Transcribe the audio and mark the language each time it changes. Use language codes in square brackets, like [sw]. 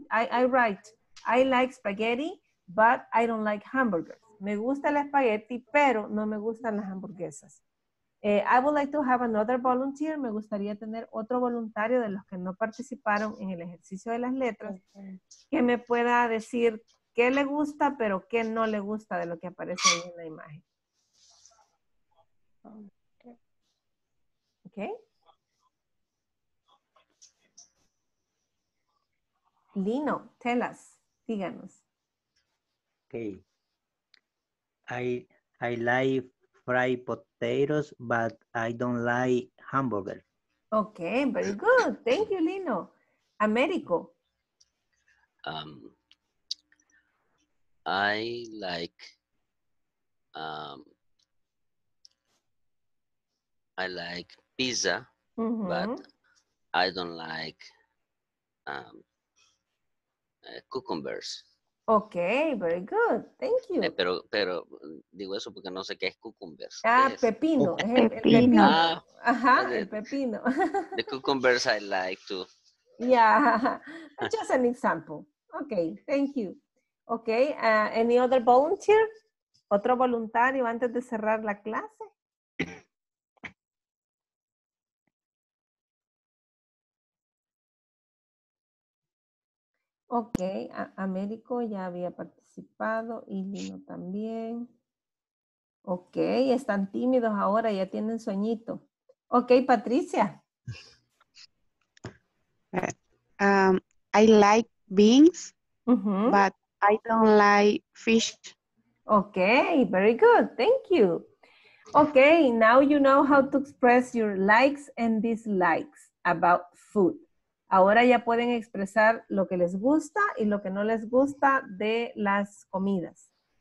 [en] I write, I like spaghetti, but I don't like hamburgers. [es] Me gusta el espagueti, pero no me gustan las hamburguesas. [en] I would like to have another volunteer. [es] Me gustaría tener otro voluntario de los que no participaron en el ejercicio de las letras que me pueda decir qué le gusta, pero qué no le gusta de lo que aparece ahí en la imagen. [en] Okay. Lino, tell us, díganos. Okay. I like fried potatoes, but I don't like hamburger. Okay, very good. Thank you, Lino. Américo. I like I like pizza, but I don't like cucumbers. Okay, very good. Thank you. [es] Pero digo eso porque no sé qué es cucumbers. Ah, pepino. Pepino. Ajá, el pepino. [en] The cucumbers I like too. Yeah, just an example. Okay, thank you. Okay, any other volunteer? [es] ¿Otro voluntario antes de cerrar la clase? Ok, Américo ya había participado y Lino también. Ok, están tímidos ahora, ya tienen sueñito. Ok, Patricia. [en] I like beans, but I don't like fish. Ok, very good, thank you. Ok, now you know how to express your likes and dislikes about food. [es] Ahora ya pueden expresar lo que les gusta y lo que no les gusta de las comidas.